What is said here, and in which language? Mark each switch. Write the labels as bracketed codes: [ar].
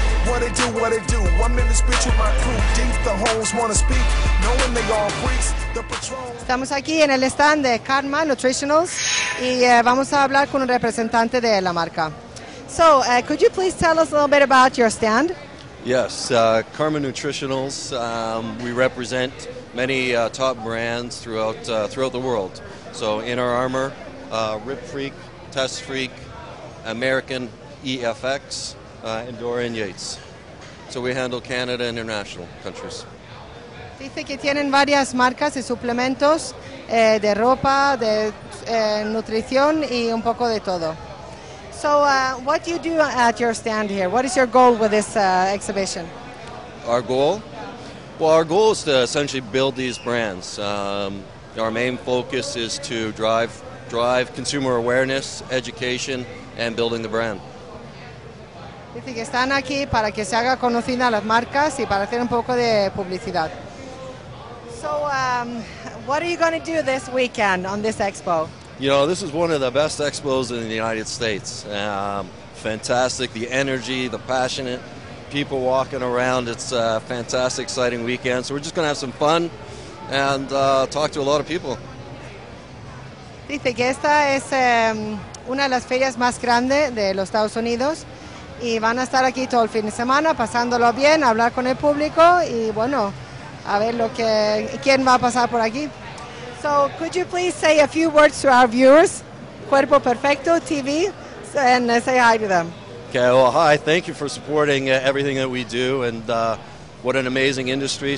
[en] What it do, what it do, I'm in the speech with my crew, deep the hoes wanna speak, knowing they all freaks, the patrol. [es] Estamos aquí en el stand de Karma Nutritionals y vamos a hablar con un representante de la marca. [en] So, could you please tell us a little bit about your stand? Yes, Karma Nutritionals, we represent many top brands throughout the world. So, Inner Armor, Rip Freak, Test Freak, American EFX, and Dorian Yates. So we handle Canada and international countries. [es] Dice que tienen varias marcas y suplementos de ropa, de nutrición y un poco de todo. [en] So what do you do at your stand here? What is your goal with this exhibition? Our goal? Well, our goal is to essentially build these brands. Our main focus is to drive consumer awareness, education, and building the brand. [es] Dice que están aquí para que se haga conocida las marcas y para hacer un poco de publicidad. [en] So, what are you going to do this weekend on this expo? You know, this is one of the best expos in the United States. Fantastic, the energy, the passionate people walking around. It's a fantastic, exciting weekend. So we're just going to have some fun and talk to a lot of people. [es] Dice que esta es una de las ferias más grandes de los Estados Unidos. Y van a estar aquí todo el fin de semana, pasándolo bien, hablar con el público y bueno, a ver lo que quién va a pasar por aquí. [en] So, could you please say a few words to our viewers, Cuerpo Perfecto TV, and say hi to them. Okay, well, hi. Thank you for supporting everything that we do, and what an amazing industry.